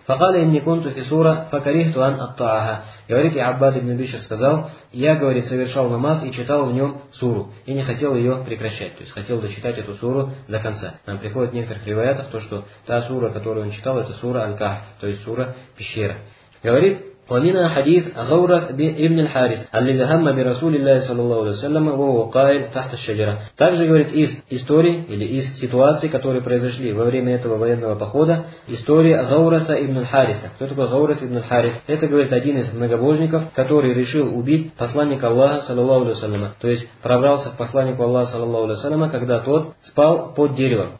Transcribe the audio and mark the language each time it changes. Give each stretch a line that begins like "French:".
Arabic: Факали им не кунту фисура, факарихту ан аттааха.
Russian: Говорит, и Аббад ибн Бишар сказал, я, говорит, совершал намаз и читал в нем суру, и не хотел ее прекращать, то есть хотел дочитать эту суру до конца. Нам приходит в некоторых риваятах то, что та сура, которую он читал, это сура Аль-Кахф, то есть сура пещера. Говорит,
Arabic: ومن حديث غورث ابن الحارث الذي هم برسول الله صلى الله عليه وسلم وهو قائل تحت الشجرة.
Russian: Также говорит из истории или из ситуации, которые произошли во время этого военного похода, история Гаураса ибн Хариса. Кто такой Гаурас ибн Харис? Это говорит один из многобожников, который решил убить посланника Аллаха саллаллаху алейхи ва саллям. То есть пробрался к посланнику Аллаха саллаллаху алейхи ва саллям, когда тот спал под деревом.